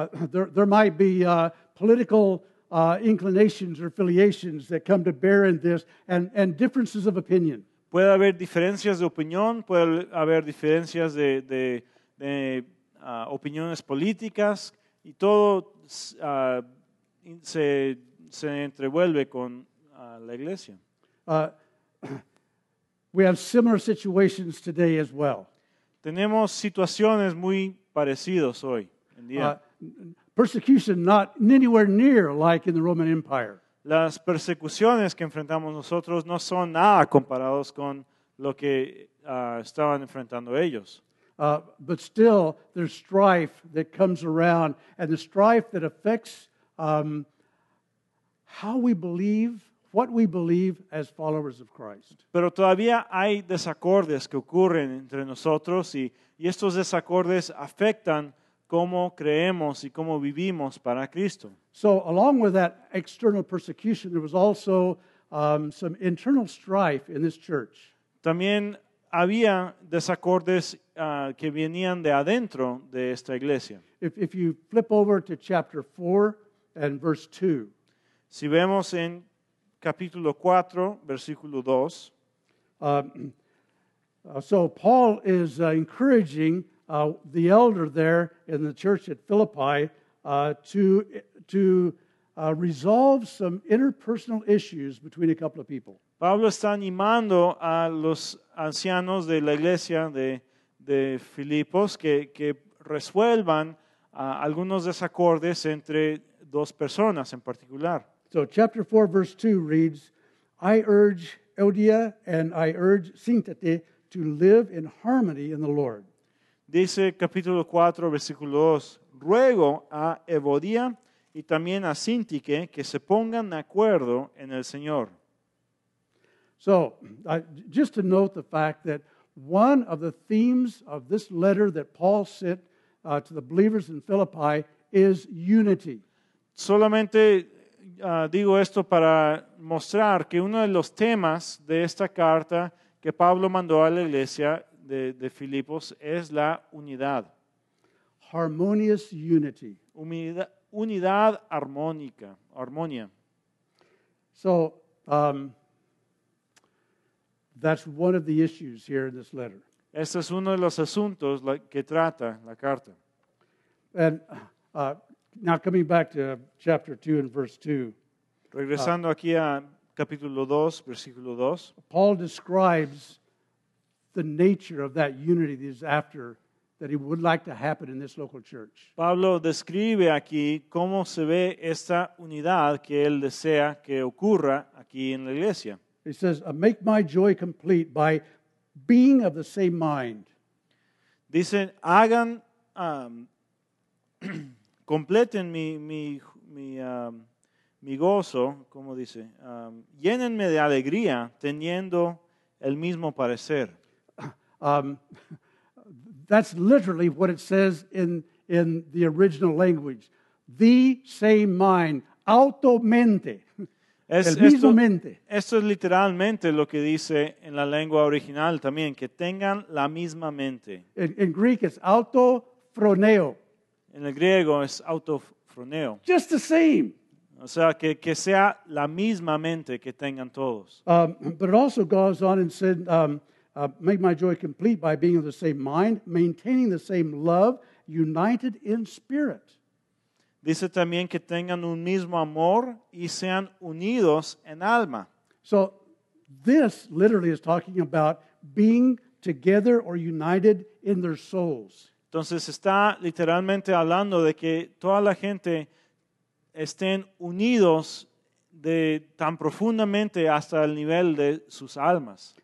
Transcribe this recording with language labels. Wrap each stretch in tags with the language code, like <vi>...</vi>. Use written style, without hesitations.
<en>There might be political inclinations or affiliations that come to bear in this and differences of opinion.</en> <es>Puede haber diferencias de opinión, puede haber diferencias de opiniones políticas y todo se entrevuelve con la iglesia.</es> <en>We have similar situations today as well.</en> <es>Tenemos situaciones muy parecidas hoy en día.</es> <en>Persecution not anywhere near like in the Roman Empire.</en> <es>Las persecuciones que enfrentamos nosotros no son nada comparados con lo que estaban enfrentando ellos.</es> <en>But still, there's strife that comes around, and the strife that affects how we believe, what we believe as followers of Christ.</en> <es>Pero todavía hay desacordes que ocurren entre nosotros y estos desacordes afectan cómo creemos y cómo vivimos para Cristo.</es> <en>So along with that external persecution, there was also some internal strife in this church.</en> <es>También había desacordes que venían de adentro de esta iglesia.</es> <en>If you flip over to chapter 4 and verse 2.</en> <es>Si vemos en capítulo 4, versículo 2.</es> <en>So Paul is encouraging the elder there in the church at Philippi to resolve some interpersonal issues between a couple of people.</en> <es>Pablo está animando a los ancianos de la iglesia de Filipos que resuelvan algunos desacordes entre dos personas en particular.</es> <en>So chapter 4 verse 2 reads, I urge Odia and I urge Syntyche to live in harmony in the Lord.</en> <es>Dice capítulo 4 versículo 2, ruego a Evodia y también a Syntyche que se pongan de acuerdo en el Señor.</es> <en>So, just to note the fact that one of the themes of this letter that Paul sent to the believers in Philippi is unity.</en> <es>Solamente digo esto para mostrar que uno de los temas de esta carta que Pablo mandó a la iglesia de Filipos es la unidad.</es> <en>Harmonious unity.</en> <es>Unidad armónica, armonía.</es> <en>So, that's one of the issues here in this letter.</en> <es>Este es uno de los asuntos que trata la carta.</es> <en>And now coming back to chapter 2 and verse 2.</en> <es>Regresando aquí a capítulo 2, versículo 2.</es> <en>Paul describes the nature of that unity that he's after, that he would like to happen in this local church.</en> <es>Pablo describe aquí cómo se ve esta unidad que él desea que ocurra aquí en la iglesia.</es> <en>He says, make my joy complete by being of the same mind.</en> <es>Dicen, hagan, completen mi gozo, como dice, llénenme de alegría teniendo el mismo parecer.</es> <en>That's literally what it says in the original language. The same mind, automente.</en> <es>Esto es literalmente lo que dice en la lengua original también, que tengan la misma mente.</es> <en>In Greek it's autofroneo.</en> <es>En el griego es autofroneo.</es> <en>Just the same.</en> <es>O sea, que sea la misma mente que tengan todos.</es> <en>But it also goes on and said, make my joy complete by being of the same mind, maintaining the same love, united in spirit.</en> <es>Dice también que tengan un mismo amor y sean unidos en alma.</es> <en>So, this literally is talking about being together or united in their souls.</en> <es>Entonces, está literalmente hablando de que toda la gente estén unidos de tan profundamente hasta el nivel de sus almas.</es>